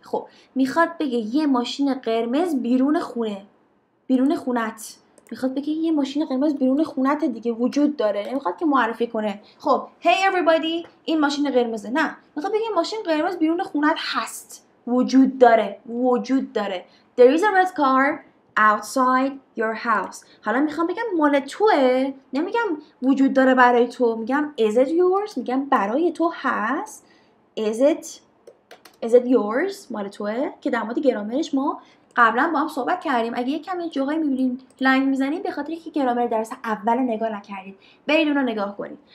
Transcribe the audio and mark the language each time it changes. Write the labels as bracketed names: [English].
[Persian] خب، میخواد بگه یه ماشین قرمز بیرون خونه. بیرون خونت. میخواد بگه یه ماشین قرمز بیرون خونت دیگه وجود داره. نمیخواد که معرفی کنه. خب، [English] hey everybody، [Persian] این ماشین قرمزه. نه. میخواد بگه یه ماشین قرمز بیرون خونت هست. وجود داره. وجود داره. [English] There is a red car outside your house. [Persian] حالا میخوام بگم مال توه، نمیگم وجود داره برای تو، میگم [English] is it yours، [Persian] میگم برای تو هست. [English] Is it yours، [Persian] مال توه، که در مورد گرامرش ما قبلا با هم صحبت کردیم. اگه یکم یه جوهایی میبینید لنگ میزنید به خاطر اینکه گرامر درس اول نگاه نکردید، برید اون رو نگاه کنید.